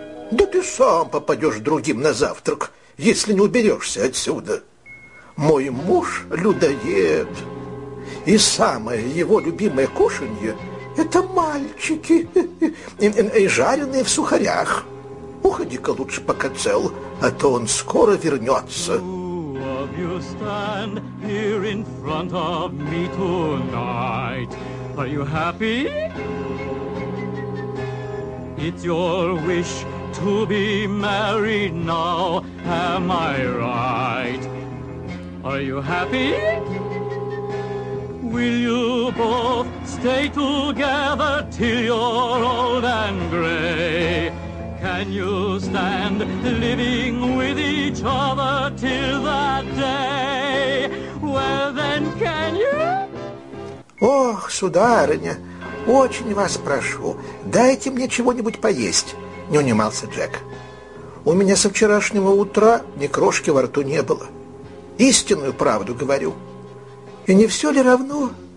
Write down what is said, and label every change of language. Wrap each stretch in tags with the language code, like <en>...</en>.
<ru>«Да ты сам попадешь другим на завтрак, если не уберешься отсюда. Мой муж людоед, и самое его любимое кушанье — это мальчики, и жареные в сухарях. Уходи-ка лучше, пока цел, а то он скоро вернется».</ru> <en>You stand here in front of me tonight. Are you happy? It's your wish to be married now. Am I right? Are you happy? Will you both stay together till you're old and gray? Can you stand living with each other till that day? Well, then, can you?</en> <ru>Ох, сударыня, очень вас прошу, дайте мне чего-нибудь поесть, не унимался Джек. У меня со вчерашнего утра ни крошки во рту не было. Истинную правду говорю. И не все ли равно?</ru>